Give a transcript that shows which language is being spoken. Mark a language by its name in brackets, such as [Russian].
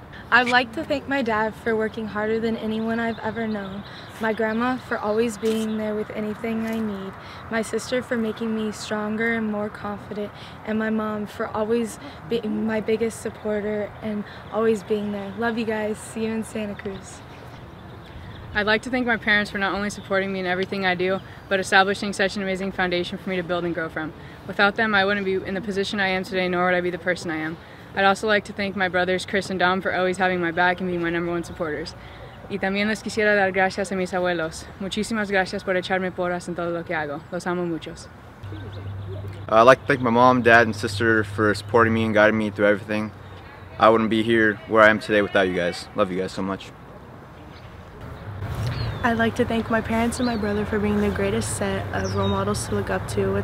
[English] I'd like to thank my dad for working harder than anyone I've ever known, my grandma for always being there with anything I need, my sister for making me stronger and more confident, and my mom for always being my biggest supporter and always being there. Love you guys. See you in Santa Cruz. I'd like to thank my parents for not only supporting me in everything I do, but establishing such an amazing foundation for me to build and grow from. Without them, I wouldn't be in the position I am today, nor would I be the person I am. I'd also like to thank my brothers, Chris and Dom, for always having my back and being my number one supporters. [Spanish] Y también les quisiera dar gracias a mis abuelos. Muchísimas gracias por echarme porras en todo lo que hago. Los amo muchos. [English] I'd like to thank my mom, dad, and sister for supporting me and guiding me through everything. I wouldn't be here where I am today without you guys. Love you guys so much. I'd like to thank my parents and my brother for being the greatest set of role models to look up to.